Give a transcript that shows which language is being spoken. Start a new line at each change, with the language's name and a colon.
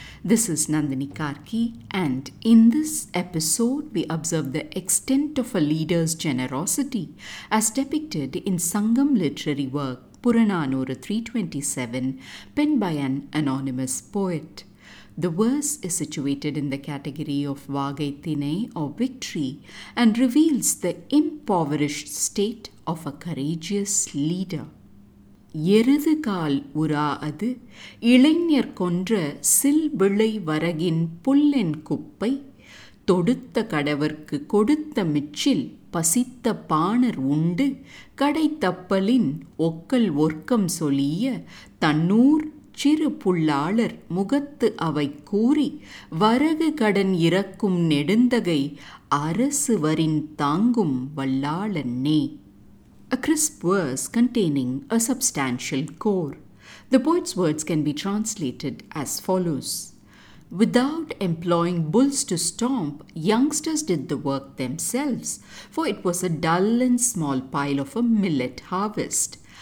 English: This is Nandini Karki, and in this episode we observe the extent of a leader's generosity as depicted in Sangam literary work Puranaanooru 327, penned by an anonymous poet. The verse is situated in the category of Vaagai Thinai or victory and reveals the impoverished state of a courageous leader.
Tamil: எருதுகால் உராது இளைஞர் கொன்ற சில்விளை வரகின் புல்லென் குப்பை தொடுத்த கடவர்க்கு கொடுத்த Mitchell பசித்த பாணர் உண்டு கடைத்தப்பலின் ஒக்கல் ஒர்க்கம் சொலிய தன்னூர் சிறு புள்ளாளர் முகத்து அவை கூறி வரகு கடன் இறக்கும் நெடுந்தகை அரசுவரின் தாங்கும் வல்லாளன்னே.
English: A crisp verse containing a substantial core. The poet's words can be translated as follows. Without employing bulls to stomp, youngsters did the work themselves, for it was a dull and small pile of a millet harvest.